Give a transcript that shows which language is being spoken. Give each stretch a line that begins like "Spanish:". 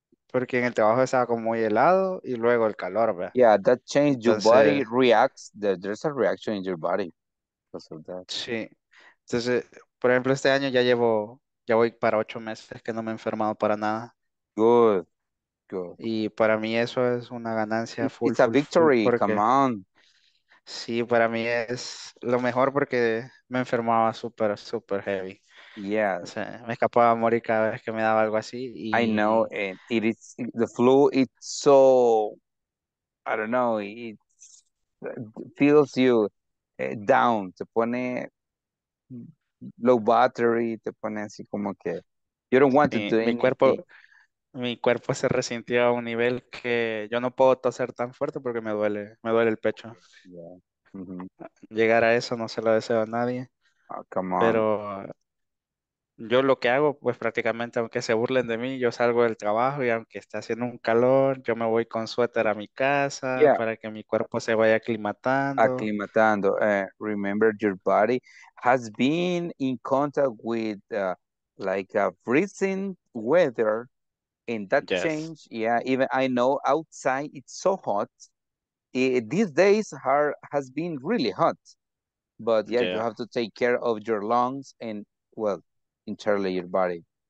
Spanish: Porque en el trabajo estaba como muy helado y luego el calor, ¿verdad?
English: Yeah, that changed your body reacts. There's a reaction in your body because of that.
Spanish: Sí. Entonces, por ejemplo, este año ya voy para 8 meses que no me he enfermado para nada.
English: Good. Good.
Spanish: Y para mí eso es una ganancia full.
English: It's a victory. Come on.
Spanish: Sí, para mí es lo mejor porque me enfermaba súper, súper heavy.
English: Yeah.
Spanish: O sea, me escapaba a morir cada vez que me daba algo así.
English: I know, and it is, the flu, it's so, I don't know, it feels you down,
Spanish: te pone low battery, te pone así como que,
English: you don't want to do anything.
Spanish: Mi cuerpo se resintió a un nivel que yo no puedo toser tan fuerte porque me duele el pecho.
English: Yeah. Mm-hmm.
Spanish: Llegar a eso no se lo deseo a nadie.
English: Oh, come on.
Spanish: Pero yo lo que hago, pues prácticamente, aunque se burlen de mí, yo salgo del trabajo y aunque esté haciendo un calor, yo me voy con suéter a mi casa, yeah, para que mi cuerpo se vaya aclimatando. Aclimatando.
English: Remember, your body has been in contact with like a freezing weather. And that, yes, change, yeah, even I know outside it's so hot. These days has been really hot. But yeah, yeah, you have to take care of your lungs and, well, internally your body.